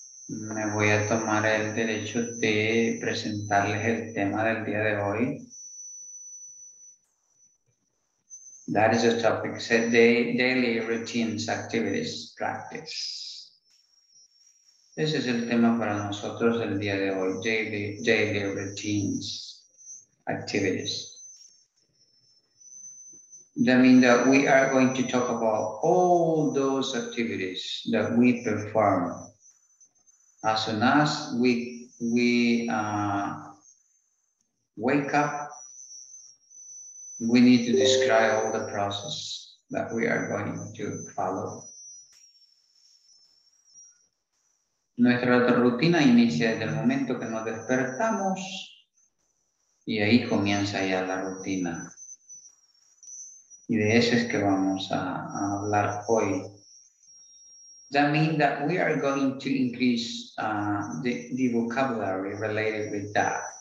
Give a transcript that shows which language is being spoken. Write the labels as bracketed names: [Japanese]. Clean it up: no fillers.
[Spanish] Me voy a tomar el derecho de presentarles el tema del día de hoy. [English] That is the topic, today, daily routines, activities, practice. [Spanish] Ese es el tema para nosotros el día de hoy, [English] daily routines, activities. That means that we are going to talk about all those activities that we perform. As soon as we wake up, we need to describe all the process that we are going to follow. [Spanish] Nuestra rutina inicia desde el momento que nos despertamos y ahí comienza ya la rutina. Y de eso es que vamos a hablar hoy. [English] That means that we are going to increase the vocabulary related with that.